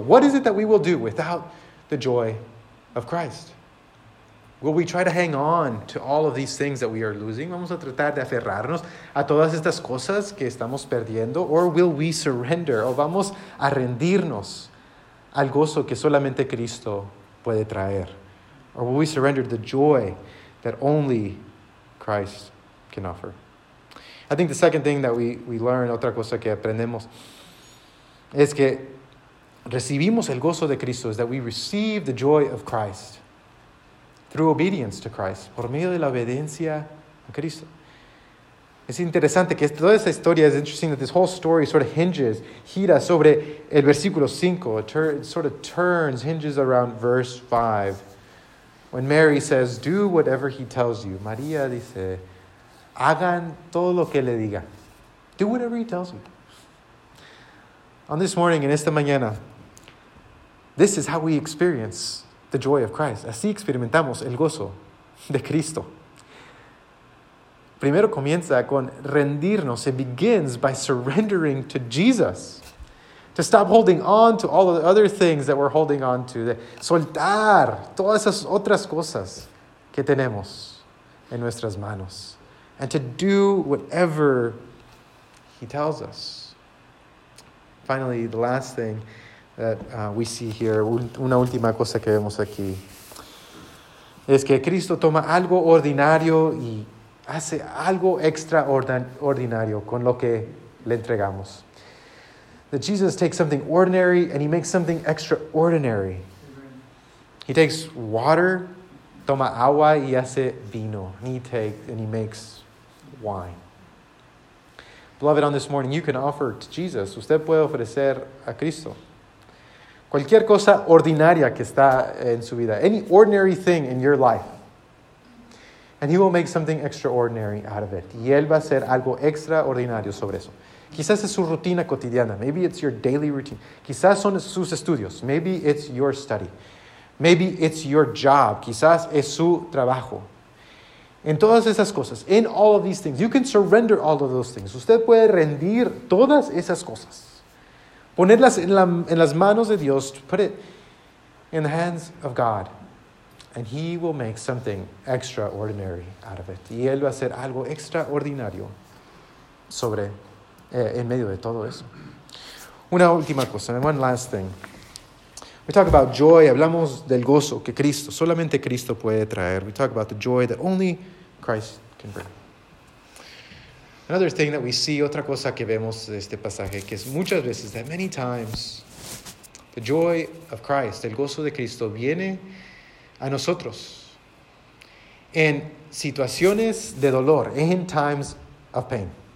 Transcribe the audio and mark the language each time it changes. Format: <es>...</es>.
<en>What is it that we will do without the joy of Christ? Will we try to hang on to all of these things that we are losing?</en> <es>¿Vamos a tratar de aferrarnos a todas estas cosas que estamos perdiendo?</es> <en>Or will we surrender?</en> <es>¿O vamos a rendirnos al gozo que solamente Cristo puede traer?</es> <en>Or will we surrender to the joy that only Christ can offer? I think the second thing that we learn,</en> <es>otra cosa que aprendemos, es que recibimos el gozo de Cristo,</es> <en>is that we receive the joy of Christ through obedience to Christ,</en> <es>por medio de la obediencia a Cristo. Es interesante que toda esta historia,</es> <en>is interesting that this whole story sort of hinges,</en> <es>gira sobre el versículo 5,</es> <en>hinges around verse 5. When Mary says, do whatever he tells you.</en> <es>María dice, hagan todo lo que le diga.</es> <en>Do whatever he tells you. On this morning,</en> <es>en esta mañana,</es> <en>this is how we experience the joy of Christ.</en> <es>Así experimentamos el gozo de Cristo. Primero comienza con rendirnos.</es> <en>It begins by surrendering to Jesus. To stop holding on to all of the other things that we're holding on to.</en> <es>De soltar todas esas otras cosas que tenemos en nuestras manos.</es> <en>And to do whatever he tells us. Finally, the last thing that we see here,</en> <es>una última cosa que vemos aquí, es que Cristo toma algo ordinario y hace algo extraordinario con lo que le entregamos.</es> <en>That Jesus takes something ordinary and he makes something extraordinary. He takes water,</en> <es>toma agua y hace vino.</es> <en>He makes wine. Beloved, on this morning, you can offer to Jesus.</en> <es>Usted puede ofrecer a Cristo. Cualquier cosa ordinaria que está en su vida.</es> <en>Any ordinary thing in your life. And he will make something extraordinary out of it.</en> <es>Y él va a hacer algo extraordinario sobre eso. Quizás es su rutina cotidiana.</es> <en>Maybe it's your daily routine.</en> <es>Quizás son sus estudios.</es> <en>Maybe it's your study. Maybe it's your job.</en> <es>Quizás es su trabajo. En todas esas cosas,</es> <en>in all of these things, you can surrender all of those things.</en> <es>Usted puede rendir todas esas cosas. Ponerlas en las manos de Dios.</es> <en>Put it in the hands of God. And he will make something extraordinary out of it.</en> <es>Y él va a hacer algo extraordinario sobre en medio de todo eso. Una última cosa.</es> <en>One last thing. We talk about joy.</en> <es>Hablamos del gozo que Cristo, solamente Cristo puede traer.</es> <en>We talk about the joy that only Christ can bring. Another thing that we see,</en> <es>otra cosa que vemos de este pasaje, que es muchas veces,</es> <en>that many times, the joy of Christ,</en> <es>el gozo de Cristo, viene a nosotros en situaciones de dolor,</es> <en>in times of pain.</en>